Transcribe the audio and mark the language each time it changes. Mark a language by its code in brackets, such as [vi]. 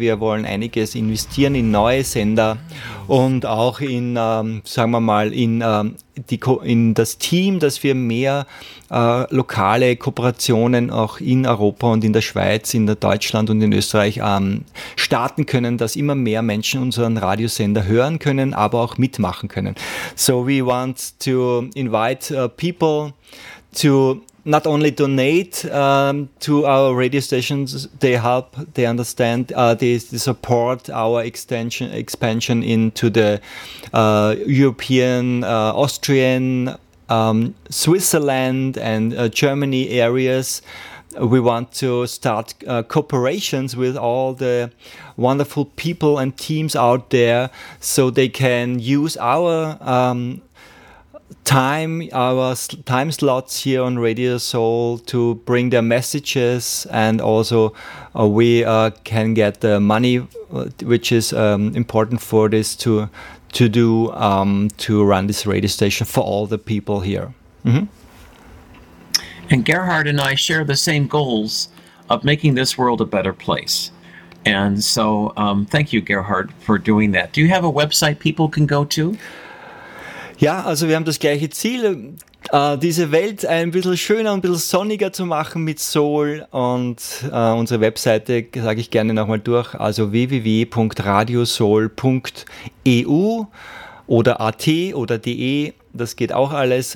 [de] Wir wollen einiges investieren in neue Sender und auch in, sagen wir mal, in das Team, dass wir mehr lokale Kooperationen auch in Europa und in der Schweiz, in der Deutschland und in Österreich starten können, dass immer mehr Menschen unseren Radiosender hören können, aber auch mitmachen können. [en] So we want to invite people to not only donate to our radio stations, they help, they understand, they support our expansion into the European, Austrian, Switzerland and Germany areas. We want to start cooperations with all the wonderful people and teams out there so they can use our time slots here on Radio Soul to bring their messages, and also we can get the money, which is important for this to run this radio station for all the people here. Mm-hmm. And Gerhard and I share the same goals of making this world a better place. And so thank you, Gerhard, for doing that. Do you have a website people can go to? [de] Ja, also wir haben das gleiche Ziel, diese Welt ein bisschen schöner und ein bisschen sonniger zu machen mit Soul. Und unsere Webseite sage ich gerne nochmal durch, also www.radiosoul.eu oder at oder de, das geht auch alles.